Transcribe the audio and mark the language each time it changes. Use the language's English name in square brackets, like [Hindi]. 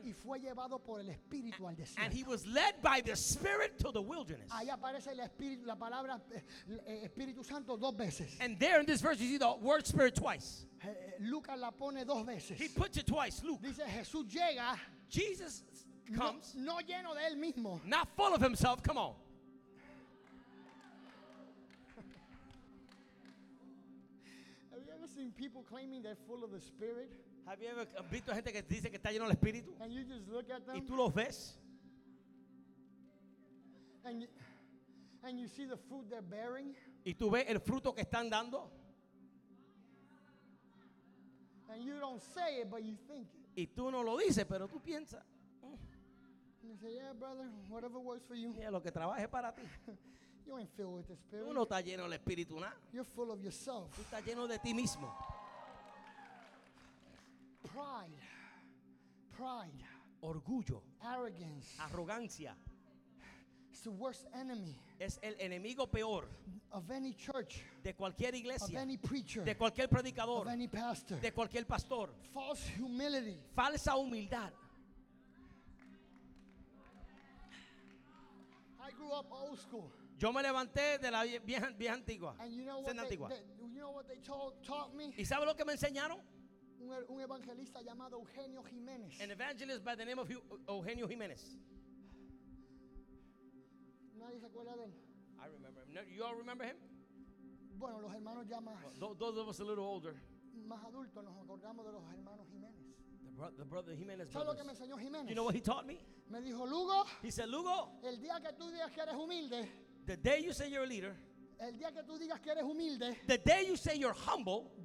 [Spanish] Y fue llevado por el Espíritu al desierto. [English] And he was led by the Spirit to the wilderness. [Spanish] Ahí aparece el Espíritu, la palabra Espíritu Santo dos veces. [English] And there in this verse you see the word Spirit twice. [Spanish] Lucas la pone dos veces. [English] He puts it twice, Luke. [Spanish] Dice Jesús llega. [English] Jesus comes. [Spanish] No lleno de él mismo. [English] Not full of himself, come on. Have you ever seen people claiming they're full of the Spirit? [Spanish] ¿Has visto gente que dice que está lleno del Espíritu? [English] And you just look at them. [Spanish] ¿Y tú los ves? [English] And you see the fruit they're bearing. [Spanish] ¿Y tú ves el fruto que están dando? [English] And you don't say it, but you think it. [Spanish] ¿Y tú no lo dices, pero tú piensas? [English] And you say, yeah, brother, whatever works for you. [Spanish] Lo que trabaje para ti. [English] You ain't filled with the Spirit. [Spanish] Tú no estás lleno del Espíritu, ¿no? [English] You're full of yourself. [Spanish] Tú estás lleno de ti mismo. [English] Pride, pride, [Spanish] orgullo, [English] arrogance, [Spanish] arrogancia. [English] It's the worst enemy. [Spanish] Es el enemigo peor. [English] Of any church, [Spanish] de cualquier iglesia, [English] of any preacher, [Spanish] de cualquier predicador, [English] of any pastor, [Spanish] de cualquier pastor. [English] False humility, [Spanish] falsa humildad. [English] I grew up old school. [Spanish] Yo me levanté de la vieja antigua. [English] And you know what taught me? [Spanish] ¿Y sabe lo que me enseñaron? Un evangelista llamado Eugenio Jiménez. [English] An evangelist by the name of Eugenio Jiménez. [Spanish] ¿Nadie se acuerda de él? [English] I remember him. No, you all remember him? [Spanish] Bueno, los hermanos ya más. [English] Well, those of us a little older. [Spanish] Más adultos nos acordamos de los hermanos Jiménez. [English] The brother Jiménez. [Spanish] ¿Sabes lo que me enseñó Jiménez? [English] Do you know what he taught me? [Spanish] Me dijo Lugo. [English] He said, Lugo. [Spanish] El día que tú digas que eres humilde. [English] The day you say you're a leader. [Spanish] El día que tú digas que eres humilde. [English] The day you say you're humble.